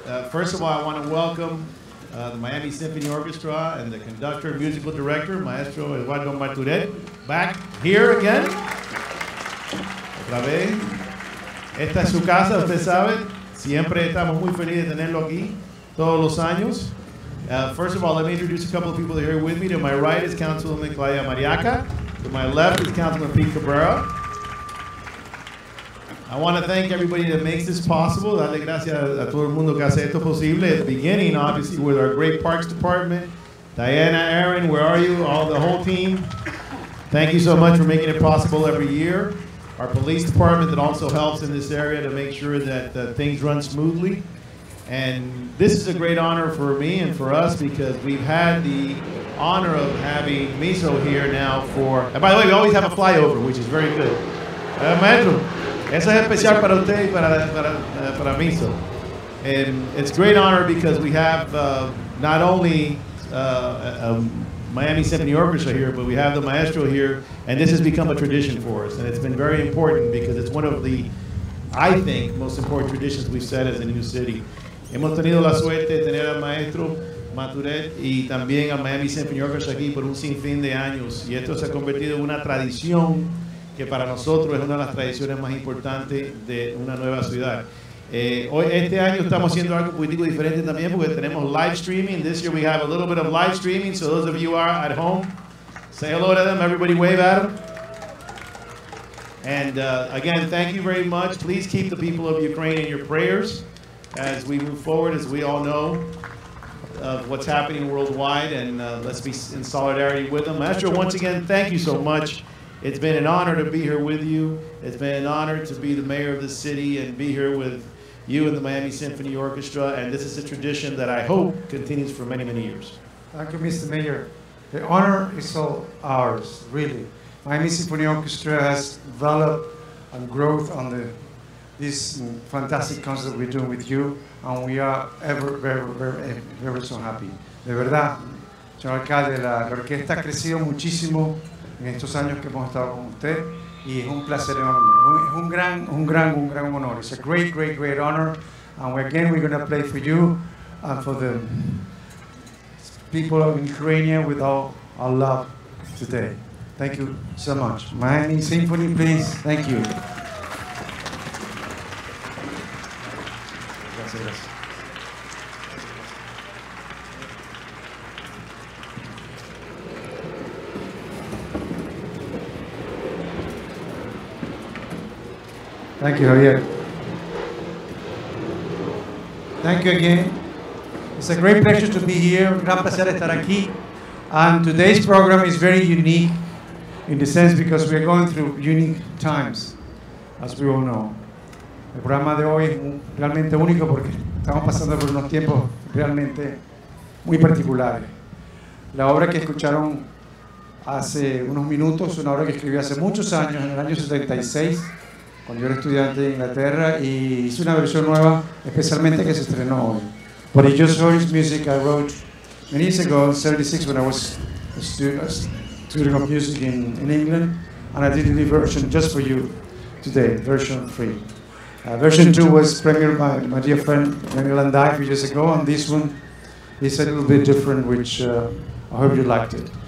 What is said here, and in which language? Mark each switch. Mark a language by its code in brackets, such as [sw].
[en] First of all, I want to welcome the Miami Symphony Orchestra and the conductor and musical director, Maestro Eduardo Marturet, back here again. [es] Otra vez. Esta es su casa, usted sabe. Siempre estamos muy felices de tenerlo aquí, todos los años. [en] First of all, let me introduce a couple of people that are here with me. To my right is Councilwoman Claudia Mariaca. To my left is Councilman Pete Cabrera. I want to thank everybody that makes this possible. [es] Dale gracias a todo el mundo que hace esto posible. [en] At the beginning, obviously, with our great Parks Department. Diana, Aaron, where are you? All the whole team. Thank you so much for making it possible every year. Our police department that also helps in this area to make sure that things run smoothly. And this is a great honor for me and for us because we've had the honor of having MISO here now for, and by the way, we always have a flyover, which is very good. [es] Maestro, eso es especial para usted y para MISO. [en] And it's a great honor because we have not only a Miami Symphony Orchestra here, but we have the maestro here, and this has become a tradition for us. And it's been very important because it's one of the, I think, most important traditions we've set as a new city. [es] Hemos tenido la suerte de tener al maestro Marturet y también al Miami Symphony Orchestra aquí por un sinfín de años. Y esto se ha convertido en una tradición que para nosotros es una de las tradiciones más importantes de una nueva ciudad. Hoy, este año estamos haciendo algo político diferente también porque tenemos live streaming. [en] This year we have a little bit of live streaming, so those of you who are at home, say hello to them, everybody wave at them. And again, thank you very much. Please keep the people of Ukraine in your prayers as we move forward, as we all know, of what's happening worldwide, and let's be in solidarity with them. Maestro, once again, thank you so much. It's been an honor to be here with you. It's been an honor to be the mayor of the city and be here with you and the Miami Symphony Orchestra, and this is a tradition that I hope continues for many, many years. Thank you, Mr. Mayor. The honor is all ours, really. Miami Symphony Orchestra has developed and growth on the this fantastic concert we're doing with you, and we are ever so happy. [es] De verdad, señor alcalde, la orquesta ha crecido muchísimo en estos años que hemos estado con usted, y es un placer enorme. Un gran honor. [en] It's a great, great, great honor. And again, we're going to play for you and for the people of Ukraine with all our love today. Thank you so much. Miami Symphony, please. Thank you. Thank you, Javier. Thank you again. It's a great pleasure to be here. [es] Gran placer estar aquí. [en] And today's program is very unique in the sense because we are going through unique times, as we all know. [es] El programa de hoy es realmente único porque estamos pasando por unos tiempos realmente muy particulares. La obra que escucharon hace unos minutos, una obra que escribí hace muchos años, en el año 76, cuando yo era estudiante en Inglaterra, y hice una versión nueva, especialmente que se estrenó hoy. [en] But I just heard his music I wrote many years ago in 76 when I was a student of music in England, and I did a new version just for you today, version 3. Version 2 was premiered by my dear friend Daniel and I 3 years ago, and this one is a little bit different, which I hope you liked it.